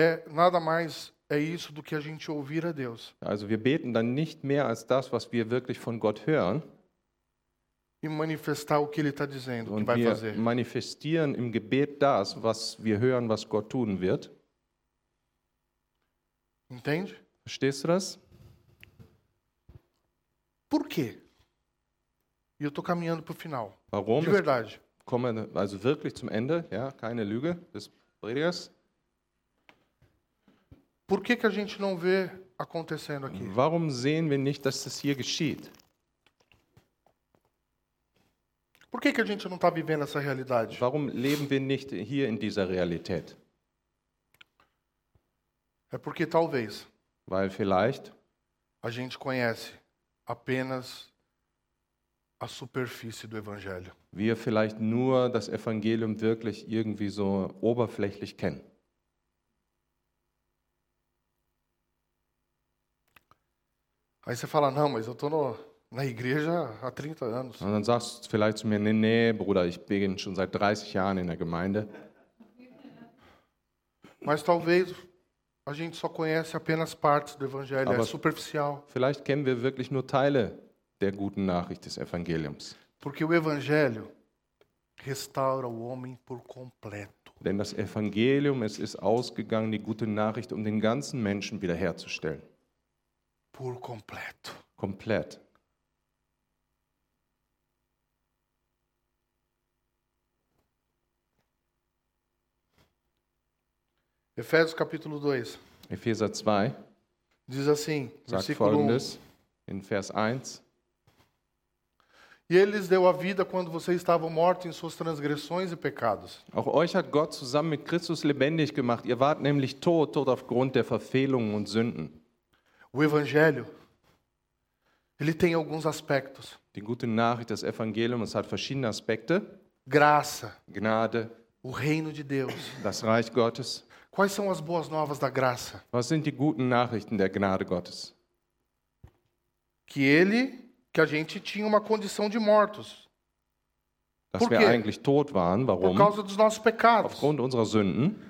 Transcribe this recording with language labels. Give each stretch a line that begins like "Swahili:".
Portuguese: nada mais é isso do que a gente ouvir a Deus.
German: Also wir beten dann nicht mehr als das, was wir wirklich von Gott hören,
Portuguese: e manifestar o que ele está dizendo,
German: und
Portuguese: que vai
German: wir
Portuguese: fazer.
German: Manifestieren im Gebet das, was wir hören, was Gott tun wird.
Portuguese: Entende?
German: Verstehst du das?
Portuguese: Por quê? Eu tô caminhando pro final.
German: Warum?
Portuguese: De verdade.
German: Komme also wirklich zum Ende, ja, keine Lüge des Predigers.
Portuguese: Por que que a gente não vê acontecendo aqui?
German: Warum sehen wir nicht, dass das hier geschieht?
Portuguese: Por que que a gente não tá vivendo essa realidade?
German: Warum leben wir nicht hier in dieser Realität?
Portuguese: É porque talvez.
German: Weil vielleicht
Portuguese: a gente conhece apenas a superfície do evangelho.
German: Wir vielleicht nur das Evangelium wirklich irgendwie so oberflächlich kennen.
Portuguese: Aí você fala, não, mas eu tô na igreja há 30 anos.
German: Und dann sagst du vielleicht zu mir, nee, Bruder, ich bin schon seit 30 Jahren in der Gemeinde.
Portuguese: Mas talvez a gente só conhece apenas partes do evangelho,
German: aber
Portuguese: é superficial.
German: Vielleicht kennen wir wirklich nur Teile der guten Nachricht des Evangeliums.
Portuguese: Porque o evangelho restaura o homem por completo.
German: Denn das Evangelium, es ist ausgegangen, die gute Nachricht, um den ganzen Menschen wiederherzustellen.
Portuguese: Por completo.
German: Komplett.
Portuguese: Efésios capítulo 2. Efésios 2. Diz assim,
German: sagt folgendes, in Vers 1.
Portuguese: E ele lhes deu a vida quando vocês estavam mortos em suas transgressões e pecados.
German: Auch euch hat Gott zusammen mit Christus lebendig gemacht. Ihr wart nämlich tot aufgrund der Verfehlungen und Sünden.
Portuguese: O evangelho, ele tem alguns aspectos.
German: Die gute Nachricht, das Evangelium, es hat verschiedene Aspekte.
Portuguese: Graça.
German: Gnade.
Portuguese: O reino de Deus.
German: Das Reich Gottes.
Portuguese: Quais são as boas novas da graça?
German: Was sind die guten Nachrichten der Gnade Gottes?
Portuguese: Que ele, que a gente tinha uma condição de mortos.
German: Dass wir eigentlich tot waren, warum?
Portuguese: Por causa dos nossos pecados.
German: Aufgrund unserer Sünden.